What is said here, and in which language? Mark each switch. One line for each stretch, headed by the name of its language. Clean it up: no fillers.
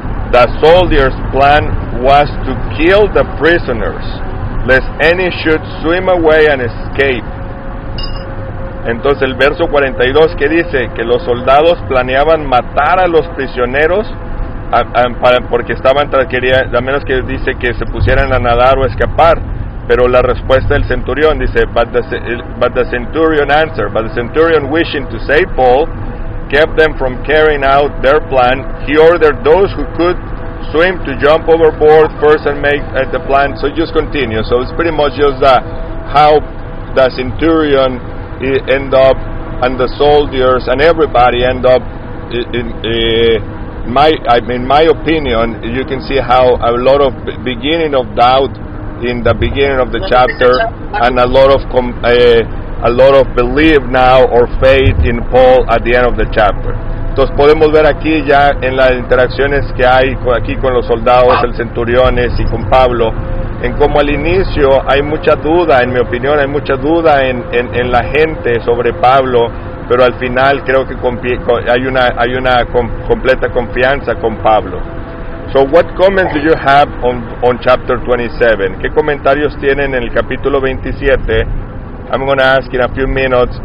English: The soldiers' plan was to kill the prisoners, lest any should swim away and escape.
Spanish: Entonces el verso 42 que dice que los soldados planeaban matar a los prisioneros porque estaban querían, a menos que dice que se pusieran a nadar o a escapar. Pero la respuesta del centurión dice,
English: but the centurion wishing to save Paul kept them from carrying out their plan. He ordered those who could swim to jump overboard first and make the plan. So just continue. So it's pretty much just how the centurion end up and the soldiers and everybody end up in my opinion, you can see how a lot of beginning of doubt in the beginning of the chapter, and a lot of belief now or faith in Paul at the end of the chapter.
Spanish: Entonces podemos ver aquí ya en las interacciones que hay aquí con los soldados, el centuriones y con Pablo, en cómo al inicio hay mucha duda, en mi opinión hay mucha duda en la gente sobre Pablo, pero al final creo que hay una completa confianza con Pablo.
English: So what comments do you have on chapter 27?
Spanish: ¿Qué comentarios tienen en el capítulo 27?
English: I'm going to ask in a few minutes.